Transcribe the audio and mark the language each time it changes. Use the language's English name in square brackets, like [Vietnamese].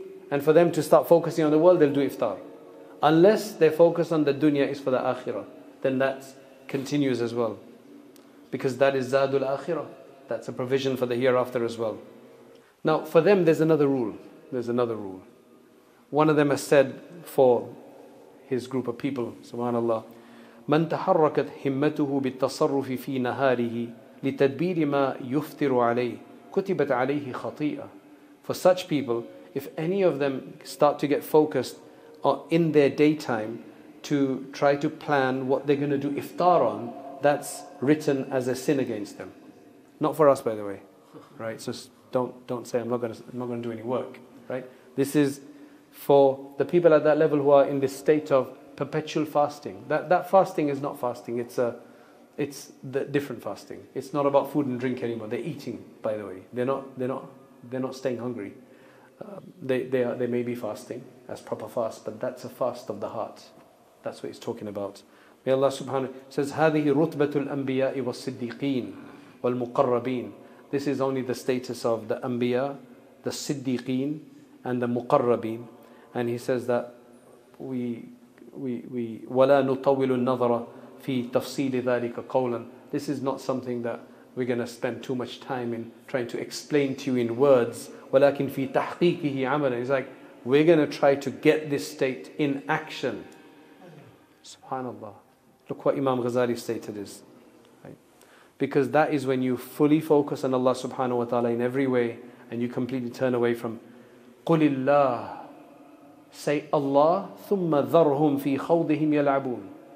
[English] And for them to start focusing on the world, they'll do iftar. Unless their focus on the dunya is for the akhirah, then that continues as well. Because that is Zadul Akhirah. That's a provision for the hereafter as well. Now, for them, there's another rule. There's another rule. One of them has said for his group of people, subhanAllah, [Arabic] مَنْ تَحَرَّكَتْ هِمَّتُهُ بِالتَّصَرُّفِ فِي نَهَارِهِ لِتَدْبِيرِ مَا يُفْتِرُ عَلَيْهِ كُتِبَتْ عَلَيْهِ خَطِيئًا. [English] For such people, if any of them start to get focused in their daytime to try to plan what they're going to do iftar on, that's written as a sin against them. Not for us, by the way, right? So don't say I'm not going to do any work, right? This is for the people at that level who are in this state of perpetual fasting. That fasting is not fasting. It's the different fasting. It's not about food and drink anymore. They're eating, by the way. They're not staying hungry. They may be fasting as proper fast, but that's a fast of the heart. That's what he's talking about. May Allah subhanahu says, [Arabic] هَذِهِ رُتْبَةُ الْأَنْبِيَاءِ وَالصِّدِّيقِينَ وَالْمُقَرَّبِينَ. [English] This is only the status of the Anbiya, the Siddiqeen, and the Muqarrabeen. And he says that we [Arabic] وَلَا نُطَوِّلُ النَّظَرَ فِي تَفْصِيلِ ذَلِكَ قَوْلًا. [English] This is not something that we're going to spend too much time in trying to explain to you in words. [Arabic] وَلَكِنْ فِي تَحْقِيقِهِ عَمَلًا. [English] He's like, we're going to try to get this state in action. Subhanallah. Look what Imam Ghazali stated is. Right? Because that is when you fully focus on Allah subhanahu wa ta'ala in every way and you completely turn away from [Arabic] قُلِ اللَّهِ. [English] Say Allah [Arabic] ثُمَّ ذَرْهُمْ فِي خَوْضِهِمْ يَلْعَبُونَ.